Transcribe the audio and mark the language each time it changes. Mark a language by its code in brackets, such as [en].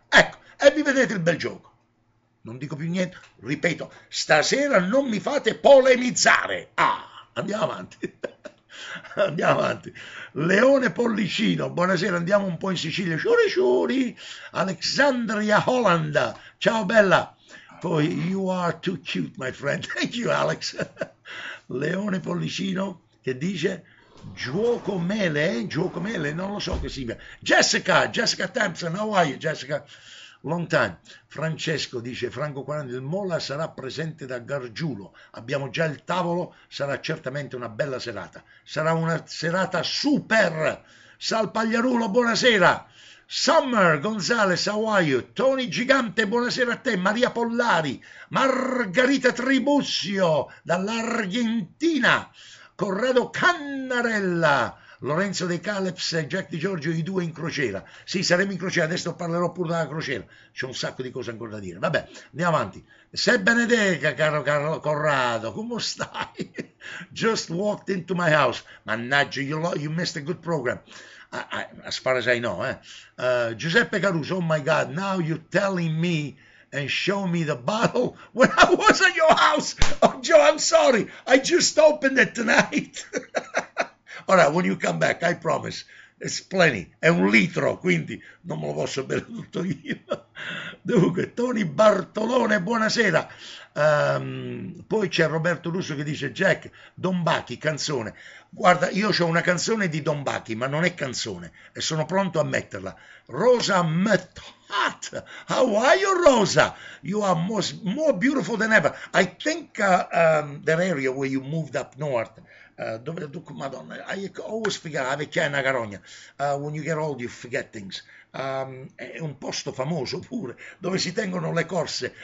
[it] Ecco, e vi vedete il bel gioco. Non dico più niente, ripeto, stasera non mi fate polemizzare. Ah, andiamo avanti. Andiamo avanti. Leone Pollicino, buonasera, andiamo un po' in Sicilia. Ciuri ciuri. Alexandria Holland, ciao bella. [en] Poi, you are too cute, my friend. Thank you, Alex. [it] Leone Pollicino, che dice... Giuoco mele, non lo so che significa. [en] Jessica Thompson, how are you, Jessica? Long time. [it] Francesco dice, Franco 40, il Mola sarà presente da Gargiulo. Abbiamo già il tavolo, sarà certamente una bella serata. Sarà una serata super. Sal Pagliarulo, buonasera. [en] Summer Gonzalez, how are you? [it] Tony Gigante, buonasera a te. Maria Pollari, Margarita Tribuzio dall'Argentina. Corrado Cannarella, Lorenzo De Caleps, Jack Di Giorgio, i due in crociera. Sì, saremo in crociera, adesso parlerò pure della crociera. C'è un sacco di cose ancora da dire. Vabbè, andiamo avanti. Se Benedica, caro Corrado, come stai? [en] Just walked into my house. [it] Mannaggia, [en] you missed a good program. As far as I know. Giuseppe Caruso, oh my God, now you're telling me and show me the bottle when I was at your house. Oh, Joe, I'm sorry. I just opened it tonight. All right, when you come back, I promise. It's plenty. [it] È un litro, quindi non me lo posso bere tutto io. Dunque, Tony Bartolone, buonasera. Poi c'è Roberto Russo che dice, Jack, Don Bacchi, canzone. Guarda, io ho una canzone di Don Bacchi, ma non è canzone. E sono pronto a metterla. [en] Rosa Metto. What? How are you, Rosa? You are more beautiful than ever. I think that area where you moved up north, [it] dove, Madonna, [en] I always forget, [it] la vecchiaia è una carogna. [en] When you get old, you forget things. [it] È un posto famoso pure, dove si tengono le corse.